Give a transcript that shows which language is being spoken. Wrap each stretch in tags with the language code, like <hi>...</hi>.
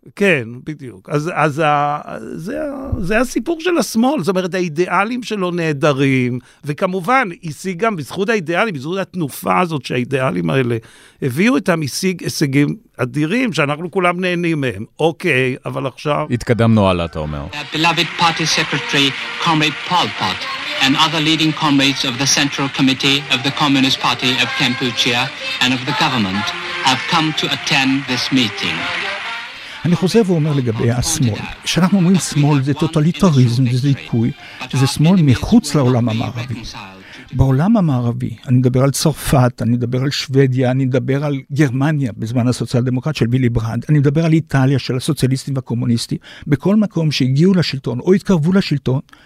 <he>כן, בדיוק. אז זה הסיפור של השמאל, זאת אומרת, האידיאלים שלו נהדרים, וכמובן, השיג גם בזכות האידיאלים, בזכות התנופה הזאת שהאידיאלים האלה הביאו איתם, השיג הישגים אדירים שאנחנו כולם נהנים מהם. אוקיי, אבל עכשיו... התקדמנו הלאה, אתה אומר.</he> <en>The beloved party secretary, comrade Pol Pot, and other leading comrades of the Central Committee of the Communist Party of Cambodia and of the government have come to attend this meeting.</en> <he>אני חוזר ואומר לגבי השמאל. כשאנחנו אומרים שמאל זה טוטליטריזם, זה דיכוי, זה שמאל מחוץ לעולם המערבי. בעולם המערבי, אני מדבר על צרפת, אני מדבר על שוודיה, אני מדבר על גרמניה בזמן הסוציאל דמוקרט של בילי ברנד, אני מדבר על איטליה של הסוציאליסטים והקומוניסטים, בכל מקום שהגיעו לשלטון או התקרבו לשלטון,</he>